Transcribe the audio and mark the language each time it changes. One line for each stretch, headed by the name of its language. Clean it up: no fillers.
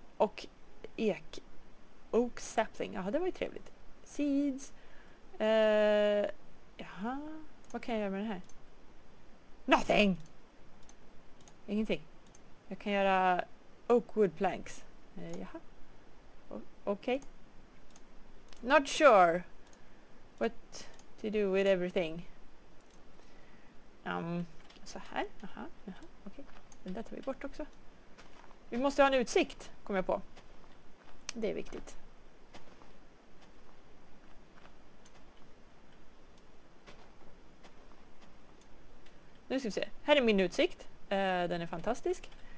Swedish: Och ek... Oak sapling. Jaha, det var ju trevligt. Seeds. Jaha. Vad kan jag göra med den här?
English: Nothing!
Swedish: Ingenting. Jag kan göra oak wood planks. Jaha. Okej.
English: Not sure what to do with everything.
Swedish: Så här. Aha, aha, okay. Den där tar vi bort också. Vi måste ha en utsikt, kommer jag på. Det är viktigt. Nu ska vi se. Här är min utsikt. Den är fantastisk.